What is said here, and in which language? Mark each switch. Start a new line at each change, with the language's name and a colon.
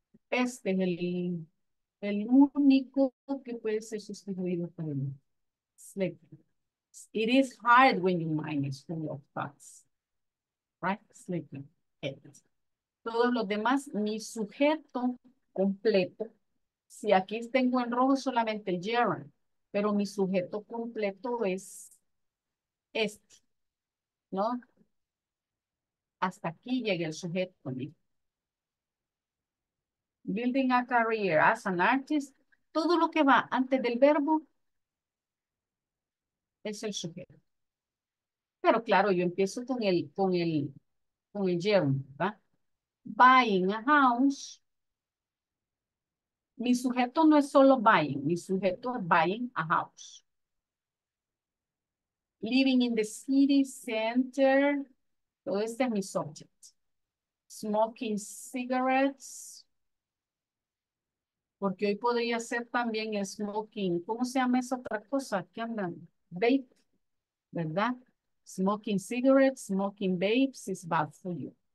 Spanish: Este es el único que puede ser sustituido por el sleep.
English: It is hard when your mind is full of thoughts. Right? Sleeping. It.
Spanish: Todos los demás, mi sujeto completo, si aquí tengo en rojo solamente el gerund, pero mi sujeto completo es este, ¿no? Hasta aquí llega el sujeto. Building a career as an artist, todo lo que va antes del verbo es el sujeto. claro, yo empiezo con el gerund, ¿va? Buying a house. Mi sujeto no es solo buying, mi sujeto es buying a house.
English: Living in the city center, todo este es mi subject.
Spanish: Smoking cigarettes, porque hoy podría ser también smoking, ¿cómo se llama esa otra cosa? ¿Qué andan? Vape, ¿verdad?
English: Smoking cigarettes, smoking vapes is bad for you.